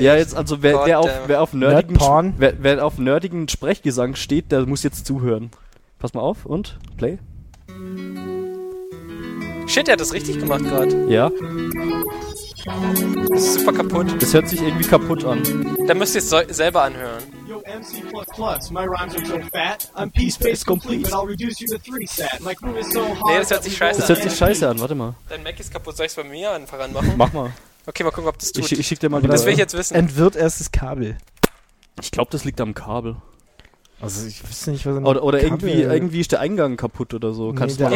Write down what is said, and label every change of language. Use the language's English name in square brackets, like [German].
[German] Ja, jetzt also wer auf nerdigen Sprechgesang steht, der muss jetzt zuhören. Pass mal auf und play. Shit, der hat das richtig gemacht gerade. Ja. Das ist super kaputt. Das hört sich irgendwie kaputt an. Da müsst ihr es selber anhören. [English] Yo, MC++, my rhymes are so fat. I'm P-Space complete, but I'll reduce you to 3-sat. My crew is so hot. [German] Nee, das hört sich scheiße an. Das hört sich scheiße an, warte mal. Dein Mac ist kaputt, soll ich es bei mir einfach anmachen? Mach mal. Okay, mal gucken, ob das tut. Ich schick dir mal das will ich jetzt wissen. Entwirrt erst das Kabel. Ich glaube, das liegt am Kabel. Also ich weiß nicht, was... Oder irgendwie ist der Eingang kaputt oder so. Kannst nee, du mal